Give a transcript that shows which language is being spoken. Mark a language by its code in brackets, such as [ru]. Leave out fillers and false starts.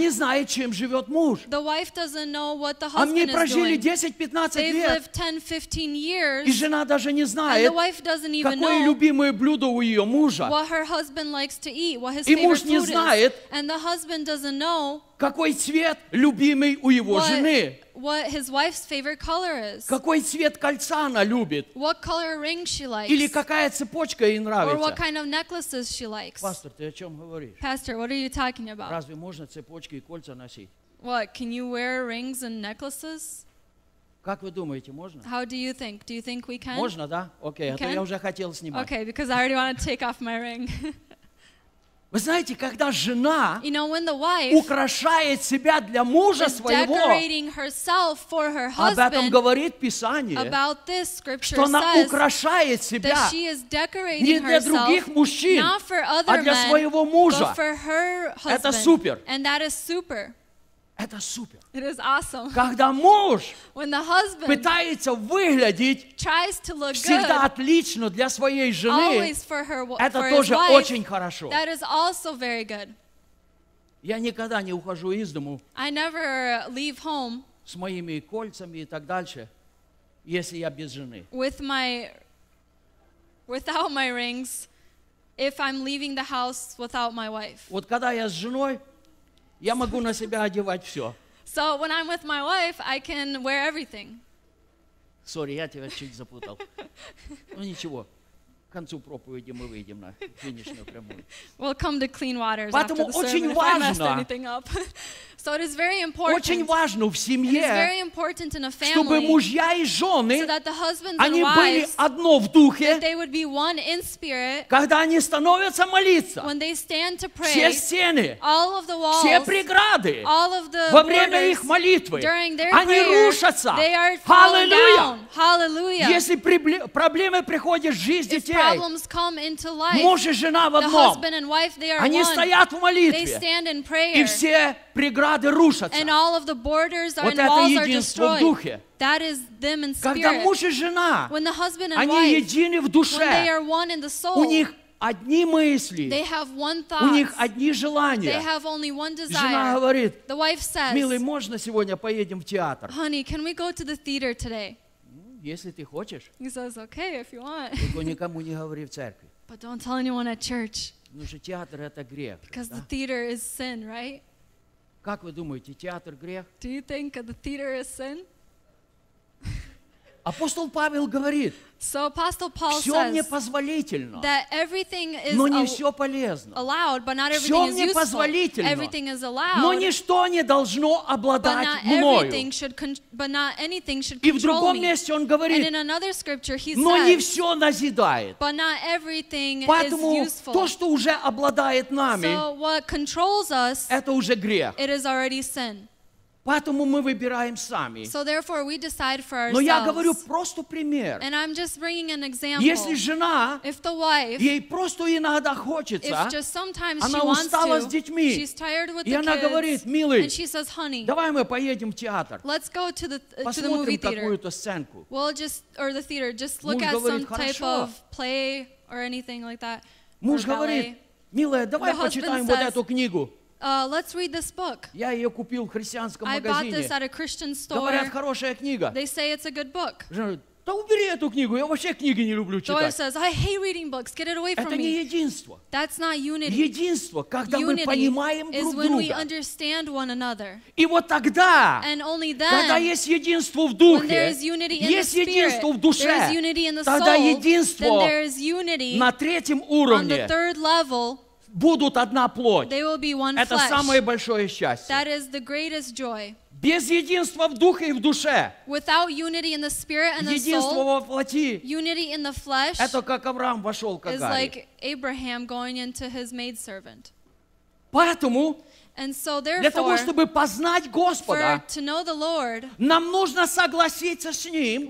[ru] Не знает, чем живет муж. [en] The wife doesn't know what the husband [ru] они прожили 10-15 лет, [en] lived 10-15 years, [ru] и жена даже не знает, [en] and the wife doesn't even [ru] какое [en] know. [ru] Любимое блюдо у ее мужа. [en] What her husband likes to eat, what his [ru] и муж не знает, [en] is, and the husband doesn't know [ru] какой цвет любимый у его жены. [en] What his wife's favorite color is. [ru] Какой цвет кольца она любит. [en] What color ring she likes. [ru] Или какая цепочка ей нравится. [en] Or what kind of necklaces she likes. [ru] Пастор, ты о чем говоришь? [en] Pastor, what are you talking about? [ru] Разве можно цепочки и кольца носить? [en] What, can you wear rings and necklaces? [ru] Как вы думаете, можно? [en] How do you think? Do you think we can? [ru] Можно, да? Окей, а то я уже хотел снимать. [en] Okay, because I already want to take off my ring. [ru] Вы знаете, когда жена [en] you know, when the wife [ru] украшает себя для мужа [en] is [ru] своего, [en] decorating herself for her husband, [ru] об этом говорит Писание, [en] about this scripture [ru] что она [en] says [ru] украшает себя [en] that she is decorating [ru] не для других мужчин, [en] not for other [ru] а для [en] men, [ru] своего мужа. [en] But for her husband. [ru] Это супер. [en] And that is super. [ru] Это супер. [en] It is awesome. [ru] Когда муж [en] when the husband [ru] пытается выглядеть [en] tries to look [ru] всегда [en] good, [ru] отлично для своей жены, [en] always for her, [ru] это [en] for [ru] тоже [en] his wife, [ru] очень хорошо. [en] That is also very good. [ru] Я никогда не ухожу из дому [en] I never leave home [ru] с моими кольцами и так дальше, если я без жены. [en] Without my rings, if I'm leaving the house without my wife. [ru] Вот когда я с женой, я могу на себя одевать все. [en] So when I'm with my wife, I can wear everything. [ru] Сори, я тебя чуть запутал. Ну ничего. К концу проповеди мы выйдем на финишную прямую. [en] We'll come to clean waters after the sermon if I messed anything up. So it is very important. [ru] Очень важно в семье. [en] It is very important in a family. [ru] Чтобы мужья и жены, [en] so that the husbands and wives, [ru] были одно в духе. [en] That they would be one in spirit. [ru] Когда они становятся молиться. [en] When they stand to pray. [ru] Все стены. [en] All of the walls. [ru] Все преграды. [en] All of the [ru] во время их молитвы. [en] During their [ru] они [en] prayer. [ru] Они рушатся. [en] They are falling down. Hallelujah. [ru] Если проблемы приходят в жизнь детей. [en] If problems come into life. [ru] Муж и жена в одном. [en] The husband and wife, they are [ru] они [en] one. [ru] Они стоят в молитве. [en] They stand in prayer. [ru] И все преграды рушатся. [en] And all of the borders are, [ru] вот [en] and walls are destroyed. That is them in spirit. [ru] Когда муж и жена, [en] when the husband and [ru] они [en] wife, [ru] едины в душе, [en] when they are one in the soul, [ru] у них одни мысли, [en] they have one thought, [ru] у них одни желания. [en] They have only one desire. [ru] Жена говорит, [en] the wife says, [ru] милый, можно сегодня поедем в театр? [en] Honey, can we go to the theater today? [ru] Если ты хочешь. [en] He says, okay, if you want. [ru] Только никому не говори в церкви. [en] But don't tell anyone at church. [ru] Потому что театр это грех. [en] Because [ru] да? [en] The theater is sin, right? [ru] Как вы думаете, театр грех? [en] Do you think the theater is sin? [ru] Апостол Павел говорит, [en] so Apostle Paul [ru] все мне позволительно, [en] that everything is [ru] но не все полезно. [en] Allowed, but not everything [ru] все мне [en] is [ru] позволительно, [en] everything is allowed, [ru] но ничто не должно обладать [en] but not [ru] мною. [en] Should con- but not anything should control [ru] и в другом месте он говорит, [en] and in another scripture he says, [ru] но не все назидает. [en] But not everything [ru] поэтому [en] is useful. [ru] То, что уже обладает нами, [en] so what controls us, [ru] это уже грех. [en] It is already sin. [ru] Поэтому мы выбираем сами. [en] So therefore we decide for ourselves. [ru] Но я говорю просто пример. [en] And I'm just bringing an example. [ru] Если жена, [en] if the wife, [ru] ей просто иногда хочется, [en] if just sometimes [ru] она [en] she [ru] устала [en] wants to, [ru] с детьми, [en] she's tired with [ru] и [en] the [ru] она [en] kids, [ru] говорит, милый, [en] and she says, honey, [ru] давай мы поедем в театр. [en] Let's go to the, [ru] посмотрим [en] to the movie theater. [ru] Какую-то сценку. [en] We'll just, or the theater, just look [ru] муж [en] at [ru] говорит, [en] some [ru] хорошо. [en] Type of play or anything like that. [ru] Муж говорит, милая, давай [en] the [ru] почитаем [en] says, [ru] вот эту книгу. [en] Let's read this book. [ru] Я ее купил в христианском [en] I [ru] магазине. [en] I bought this at a Christian store. [ru] Говорят, хорошая книга. [en] They say it's a good book. [ru] Да убери эту книгу, я вообще книги не люблю читать. [en] The wife says, I hate reading books. Get it away from [ru] это Это не единство. [en] That's not unity. [ru] Единство, когда [en] unity [ru] мы понимаем друг друга. [en] When we understand one another. [ru] И вот тогда, [en] and only then, [ru] когда есть единство в духе, [en] when there is unity in [ru] есть [en] the spirit, [ru] единство в душе, [en] there is unity in the soul, [ru] тогда единство [en] then there is unity [ru] на третьем уровне, [en] on the third level, [ru] будут одна плоть. [en] They will be one [ru] это [en] flesh. [ru] Самое большое счастье. [en] That is the greatest joy. [ru] Без единства в духе и в душе. [en] Without unity in the spirit and the soul. [ru] Единство во плоти. [en] Unity in the flesh. [ru] Это как Авраам вошел к Агаре. [en] Is like Abraham going into his maidservant. [ru] Поэтому. [en] And so therefore. [ru] Для того, чтобы познать Господа. [en] For to know the Lord. [ru] Нам нужно согласиться с Ним.